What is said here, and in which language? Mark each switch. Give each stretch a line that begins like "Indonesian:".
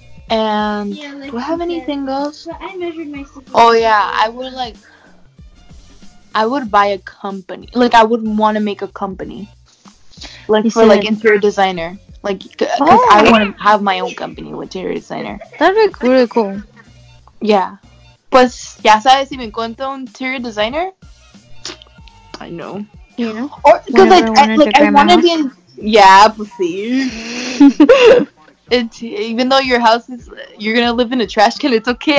English: And do I have anything else? Oh yeah, I would buy a company. Like I would want to make a company. Like for like interior designer. Like because I want to have my own company with interior designer. That'd be really cool. Yeah.
Spanish: Pues, ya sabes si me encuentro un
English: interior designer? I know. Yeah. Or, because, like, I want to be in... Yeah,
Spanish: pues, sí.
English: Even though your house is... You're going to live in a trash can, it's okay.